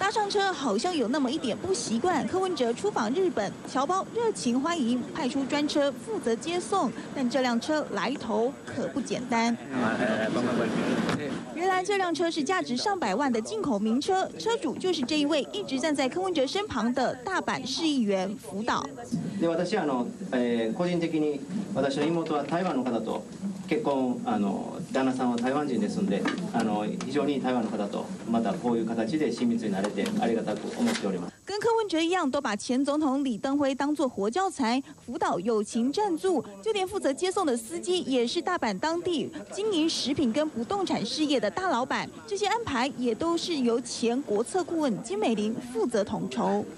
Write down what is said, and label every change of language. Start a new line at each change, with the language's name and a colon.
Chinese: 搭上车好像有那么一点不习惯，柯文哲出访日本，侨胞热情欢迎，派出专车负责接送，但这辆车来头可不简单。原来这辆车是价值上百万的进口名车，车主就是这一位一直站在柯文哲身旁的大阪市议员福岛。
Japanese: 私は個人的に私の妹は台湾の方と結婚旦那さんは台湾人ですので非常に台湾の方とまたこういう形で親密になれてありがたく思っております。
Chinese: 跟柯文哲一样都把前总统李登辉当作活教材，福岛友情赞助，就连负责接送的司机也是大阪当地经营食品跟不动产事业的大老板，这些安排也都是由前国策顾问金美玲负责统筹。